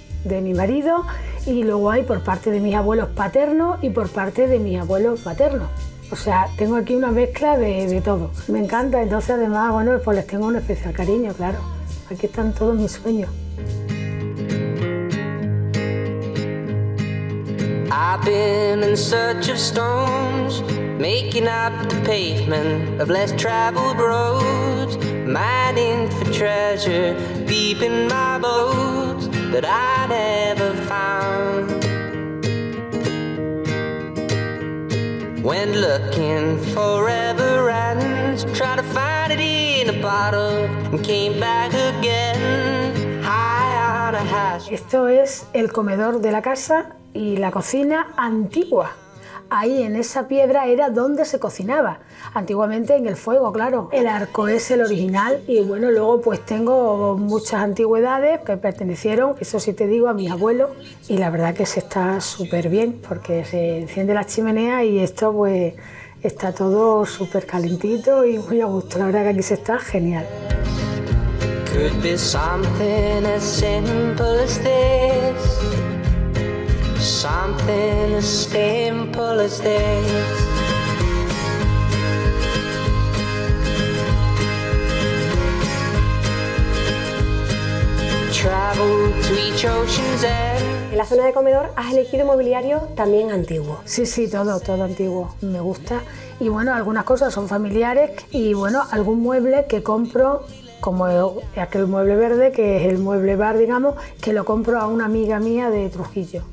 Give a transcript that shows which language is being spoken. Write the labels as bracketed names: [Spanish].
[Spanish] de mi marido, y luego hay por parte de mis abuelos paternos y por parte de mis abuelos maternos. O sea, tengo aquí una mezcla de todo. Me encanta, entonces además, bueno, pues les tengo un especial cariño, claro. Aquí están todos mis sueños. [English] I've been in search of stones, making up the pavement of less traveled roads, mining for treasure, deep in my bones that I never found. When looking forever and try to find it in a bottle and came back again high on a hash. [Spanish] Esto es el comedor de la casa y la cocina antigua. Ahí en esa piedra era donde se cocinaba, antiguamente en el fuego, claro. El arco es el original y bueno, luego pues tengo muchas antigüedades que pertenecieron, eso sí te digo, a mis abuelos, y la verdad que se está súper bien porque se enciende la chimenea y esto pues está todo súper calentito y muy a gusto, la verdad que aquí se está genial. [English] Could be something as simple as this. Something as simple as this. Travel to each ocean's end. [Spanish] En la zona de comedor has elegido mobiliario también antiguo. Sí, sí, todo, todo antiguo, me gusta. Y bueno, algunas cosas son familiares y bueno, algún mueble que compro, como aquel mueble verde, que es el mueble bar, digamos, que lo compro a una amiga mía de Trujillo.